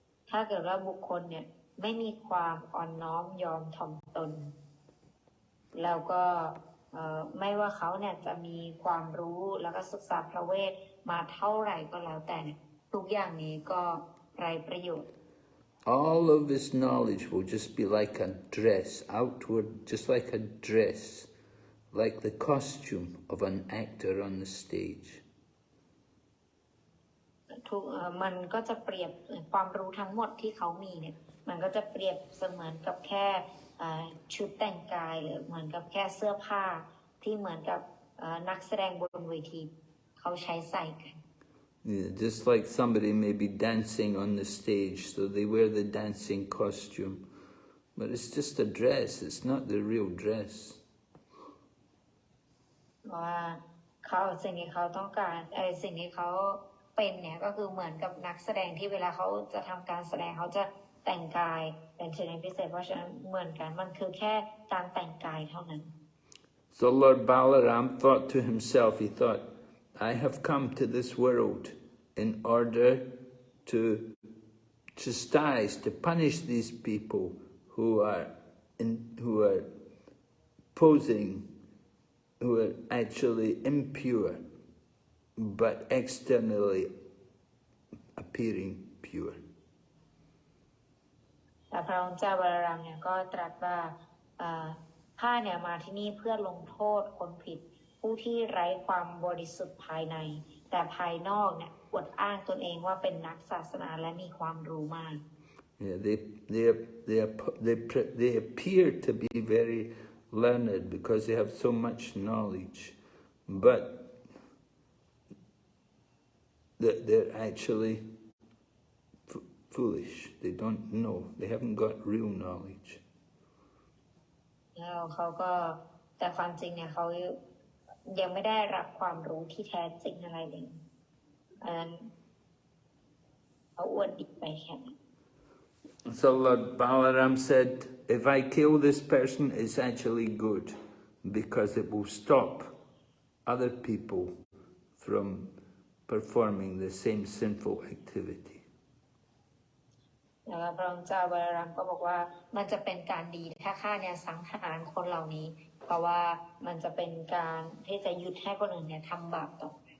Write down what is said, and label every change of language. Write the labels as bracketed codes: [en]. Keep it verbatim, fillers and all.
[th] ถ้าเกิดว่าบุคคลเนี่ยไม่มีความอ่อนน้อมยอมถ่อมตนแล้วก็เอ่อไม่ว่าเขาเนี่ยจะมีความรู้แล้วก็ศึกษาพระเวทมาเท่าไหร่ก็แล้วแต่ทุกอย่างนี้ก็ไร้ประโยชน์ [en] All of his knowledge will just be like a dress, outward, just like a dress, like the costume of an actor on the stage. [th] ทุกเอ่อมันก็จะเปรียบความรู้ทั้งหมดที่เขามีเนี่ยมันก็จะเปรียบเสมือนกับแค่เอ่อชุดแต่งกายหรือเหมือนกับแค่เสื้อผ้าที่เหมือนกับเอ่อนักแสดงบนเวทีเขาใช้ใส่กัน [en] Yeah, just like somebody may be dancing on the stage, so they wear the dancing costume. But it's just a dress, it's not the real dress. [th] ว่าเขาสิ่งที่เขาต้องการไอ้สิ่งที่เขาเป็นเนี่ยก็คือเหมือนกับนักแสดงที่เวลาเขาจะทำการแสดงเขาจะแต่งกายเป็นชนิดพิเศษเพราะฉะนั้นเหมือนกันมันคือแค่การแต่งกายเท่านั้น [en] So Lord Balaram thought to himself, he thought, I have come to this world in order to chastise, to punish these people who are, in, who are posing, who are actually impure, but externally appearing pure. [th] แต่พระองค์เจ้าบาลรัมเนี่ยก็ตรัสว่าเอ่อข้าเนี่ยมาที่นี่เพื่อลงโทษคนผิดผู้ที่ไร้ความบริสุทธิ์ภายใน แต่ภายนอกเนี่ยอวดอ้างตนเองว่าเป็นนักศาสนาและมีความรู้มาก [en] Yeah, they, they, they, ap- they, pre- they appear to be very learned because they have so much knowledge, but they're, they're actually f- foolish. They don't know. They haven't got real knowledge. [th] แล้วเขาก็แต่ความจริงเนี่ยเขายังไม่ได้รับความรู้ที่แท้จริงอะไรเลยอันนั้นเขาอวดดีไปแค่นั้น [en] So Lord Balaram said, if I kill this person, it's actually good because it will stop other people from performing the same sinful activity. [th] แล้วก็พระองค์เจ้าบาลรัมก็บอกว่ามันจะเป็นการดีถ้าข้าเนี่ยสังหารคนเหล่านี้ เพราะว่ามันจะเป็นการที่จะหยุดให้คนอื่นเนี่ยทำบาปต่อ